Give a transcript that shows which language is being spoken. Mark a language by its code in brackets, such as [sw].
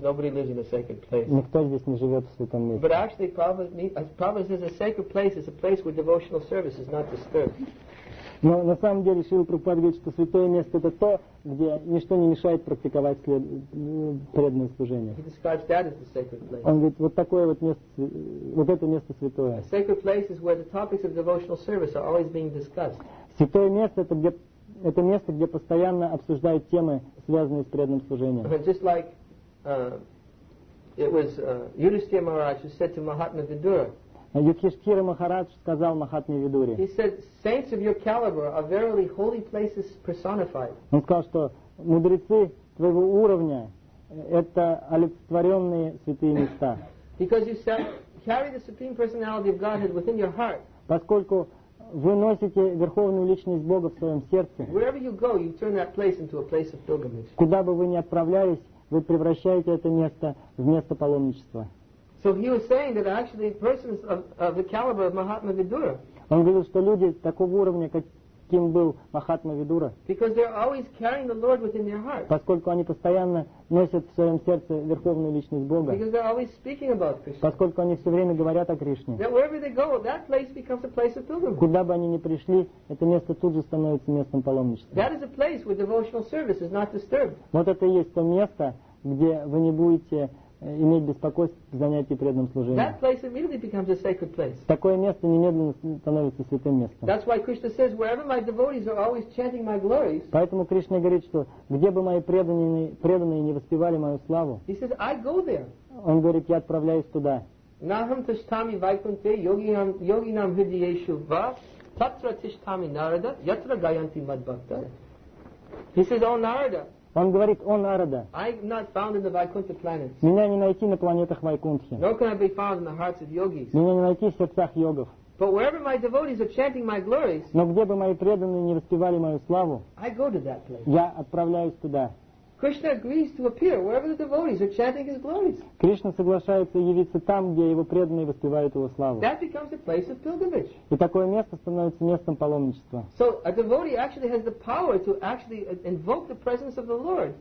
[ru] Никто здесь не живет в святом месте. Но на самом деле Шрила Прабхупада говорит, что святое место — это то, где ничто не мешает практиковать преданное служение. [en] He describes that as the sacred place. [ru] Он говорит, вот такое вот место, вот это место святое. [en] A sacred place is where the topics of devotional service are always being discussed. [ru] Святое место — это место, где постоянно обсуждают темы, связанные с преданным служением. [en] Just like it was Yudhishthira Maharaj who said to Mahatma Vidura. [ru] Юдхиштхира Махарадж сказал Махатме Видуре. [en] He said, saints of your caliber are verily holy places personified. [ru] Он сказал, что мудрецы твоего уровня — это олицетворенные святые места. [en] Because you carry the supreme personality of Godhead within your heart. [ru] Поскольку вы носите верховную личность Бога в своем сердце. [en] Wherever you go, you turn that place into a place of pilgrimage. [ru] Куда бы вы ни отправлялись, вы превращаете это место в место паломничества. [en] So he was saying that actually persons of the caliber of Mahatma Vidura. [ru] Он говорил, что люди такого уровня, каким был Махатма Видура. [en] Because they're always carrying the Lord within their heart. [ru] Поскольку они постоянно носят в своем сердце верховную личность Бога. [en] Because they're always speaking about Krishna. [ru] Поскольку они все время говорят о Кришне. [en] That wherever they go, that place becomes a place of pilgrimage. [ru] Куда бы они ни пришли, это место тут же становится местом паломничества. [en] That is a place where devotional service is not disturbed. [ru] Вот это и есть то место, где вы не будете иметь беспокойство в занятии преданным служением. Такое место немедленно становится святым местом. [en] That's why Krishna says, wherever my devotees are always chanting my glories. [ru] Поэтому Кришна говорит, что где бы мои преданные не воспевали мою славу. [en] He says, I go there. [ru] Он говорит, я отправляюсь туда. [sa] Naham tishtami vaikunte yoginam hridyeshu va tatra tishtami narada yatra gayanti madbhakta. [en] He says, oh Narada. [ru] Он говорит, о Нарада. [en] I am not found in the Vaikuntha planets. [ru] Меня не найти на планетах Вайкунтхи. [en] Nor can I be found in the hearts of yogis. [ru] Меня не найти в сердцах йогов. [en] But wherever my devotees are chanting my glories. [ru] Но где бы мои преданные не воспевали мою славу. [en] I go to that place. [ru] Я отправляюсь туда. [en] Krishna agrees to appear wherever the devotees are chanting his glories. [ru] Кришна соглашается явиться там, где его преданные воспевают его славу. [en] That becomes a place of pilgrimage. [ru] И такое место становится местом паломничества. [en] So a devotee actually has the power to actually invoke the presence of the Lord.